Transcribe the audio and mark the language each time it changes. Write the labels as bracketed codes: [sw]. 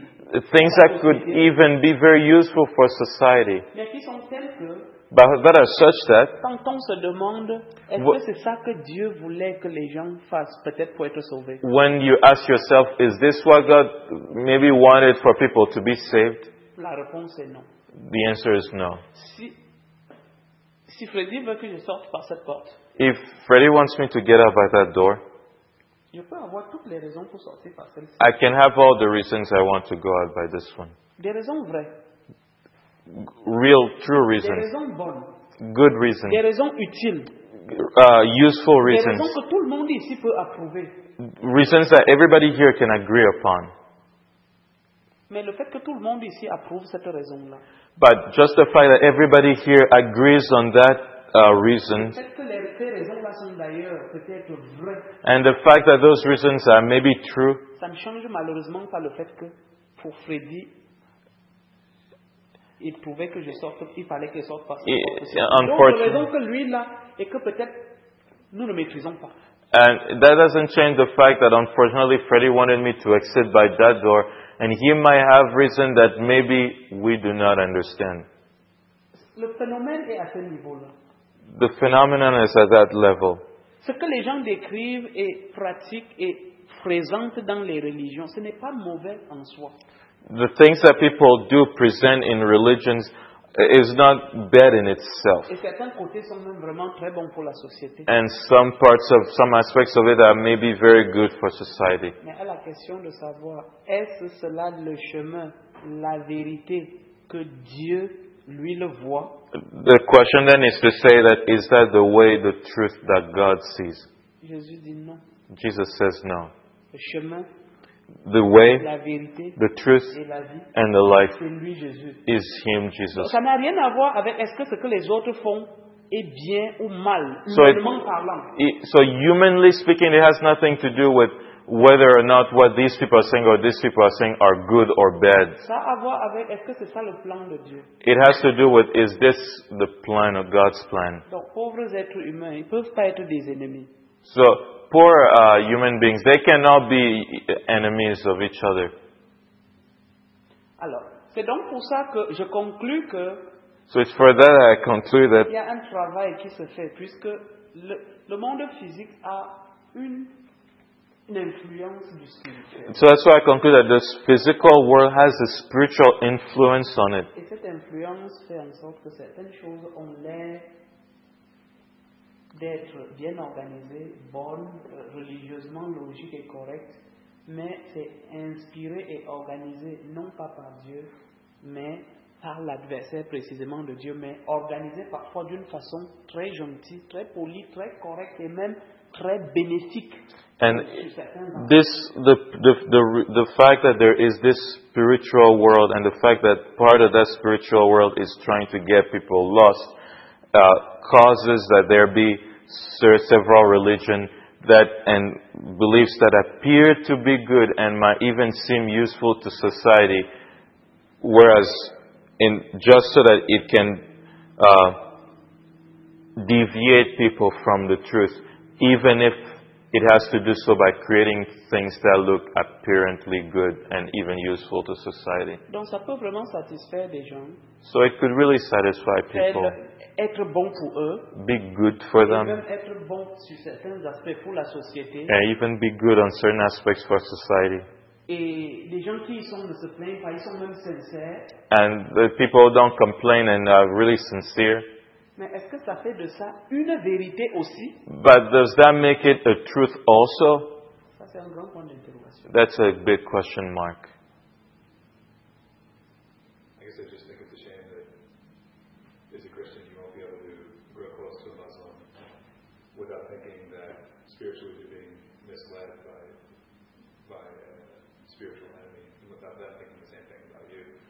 [en] Things that could even be very useful for society. [fr] Mais qui sont tels que. [en] But as such that. [fr] Quand on se demande, est-ce que c'est ça que Dieu voulait que les gens fassent, peut-être pour être sauvés? [en] When you ask yourself, is this what God maybe wanted for people to be saved? [fr] La réponse est non. [en] The answer is no. [fr] Si Freddy veut que je sorte par cette porte. [en] If Freddy wants me to get out by that door. [fr] Je peux avoir toutes les raisons pour sortir par celle-ci. [en] I can have all the reasons I want to go out by this one. [fr] Des raisons vraies. [en] Real, true reasons. [fr] Des raisons bonnes. [en] Good reasons. [fr] Des raisons utiles. [en] Useful reasons. [fr] Des raisons que tout le monde ici peut approuver. [en] Reasons that everybody here can agree upon. [fr] Mais le fait que tout le monde ici approuve cette raison-là. [en] But just the fact that everybody here agrees on that reason. And the fact that those reasons are maybe true. [fr] Ça ne change malheureusement pas le fait que. pour Freddy, il trouvait que je sorte, il fallait que je sorte parce que la raison que lui là est que peut-être nous ne maîtrisons pas. [en] And that doesn't change the fact that unfortunately Freddy wanted me to exit by that door, and he might have reason that maybe we do not understand. [fr] Le phénomène est à ce niveau-là. [en] The phenomenon is at that level. [fr] Ce que les gens décrivent et pratiquent et présentent dans les religions, ce n'est pas mauvais en soi. [en] The things that people do present in religions is not bad in itself. [fr] Et certains côtés sont même vraiment très bons pour la société. [en] And some parts of, some aspects of it are maybe very good for society. [fr] Mais à la question de savoir, est-ce cela le chemin, la vérité que Dieu lui le voit? [en] The question then is to say that, is that the way, the truth that God sees? [fr] Jésus dit non. [en] Jesus says no. [fr] Le chemin, [en] the way, [fr] la vérité, [en] the truth, [fr] et la vie, [en] and the life, [fr] c'est lui, Jésus, [en] is Him, Jesus. [fr] Donc, ça n'a rien à voir avec est-ce que ce que les autres font est bien ou mal, humainement parlant. [en] So humanly speaking, it has nothing to do with whether or not what these people are saying or these people are saying are good or bad. [fr] Ça a voir avec, est-ce que c'est ça le plan de Dieu? [en] It has to do with, is this the plan of God's plan? [fr] Donc, pauvres êtres humains, ils peuvent pas être des ennemis. [en] So, poor human beings, they cannot be enemies of each other. [fr] Alors, c'est donc pour ça que je conclue que, [en] so it's for that I conclude that [fr] il y a un travail qui se fait, puisque le monde physique a une influence du spirituel. [en] So that's why I conclude that the physical world has a spiritual influence on it. [fr] Et cette influence fait en sorte que certaines choses ont l'air d'être bien organisées, bonnes, religieusement logiques et correctes, mais c'est inspiré et organisé non pas par Dieu, mais par l'adversaire précisément de Dieu, mais organisé parfois d'une façon très gentille, très polie, très correcte et même très bénéfique. [en] And this, the fact that there is this spiritual world, and the fact that part of that spiritual world is trying to get people lost, causes that there be several religion that and beliefs that appear to be good and might even seem useful to society, whereas in just so that it can deviate people from the truth, even if it has to do so by creating things that look apparently good and even useful to society. [fr] Donc, ça peut vraiment satisfaire des gens. [en] So it could really satisfy people. [fr] Être bon pour eux. [en] Be good for them. [fr] Et même être bon sur certains aspects pour la société. [en] And even be good on certain aspects for society. [fr] Et les gens qui y sont ne se plaignent pas, ils sont même sincères. [en] And the people don't complain and are really sincere. [fr] Mais est-ce que ça fait de ça une vérité aussi? [en] But does that make it a truth also? [fr] Ça, c'est un grand point d'interrogation. [en] That's a big question mark. I guess I just think it's a shame that as a Christian you won't be able to grow close to a Muslim without thinking that spiritually you're being misled by a spiritual enemy, and without that thinking the same thing about you.